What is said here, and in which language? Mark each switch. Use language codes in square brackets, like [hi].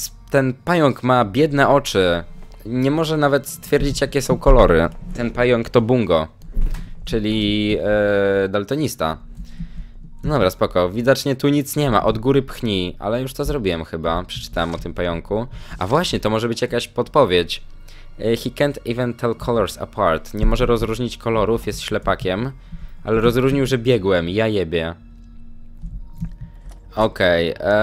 [pl] Ten pająk ma biedne oczy. Nie może nawet stwierdzić, jakie są kolory. Ten pająk to Bungo. Czyli daltonista. Dobra, spoko. Widocznie tu nic nie ma. Od góry pchnij. Ale już to zrobiłem chyba. Przeczytałem o tym pająku. A właśnie, to może być jakaś podpowiedź. [en] He can't even tell colors apart. [pl] Nie może rozróżnić kolorów, jest ślepakiem. Ale rozróżnił, że biegłem. Ja jebie. Okej.